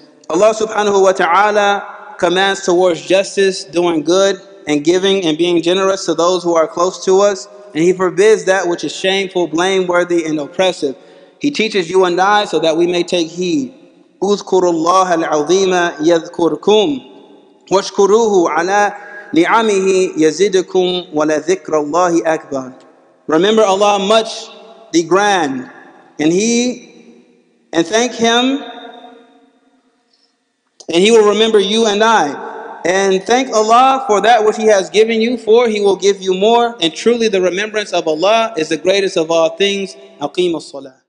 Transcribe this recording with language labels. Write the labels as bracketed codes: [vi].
[en] Allah subhanahu wa ta'ala commands towards justice, doing good and giving and being generous to those who are close to us. And He forbids that which is shameful, blameworthy, and oppressive. He teaches you and I so that we may take heed. [ar] اذكروا الله العظيم يذكركم واشكروه على نعمه يزدكم ولذكر الله أكبر. [en] Remember Allah much, the grand, and thank Him, and He will remember you and I. And thank Allah for that which He has given you, for He will give you more. And truly the remembrance of Allah is the greatest of all things. [ar] Aqim as-salah.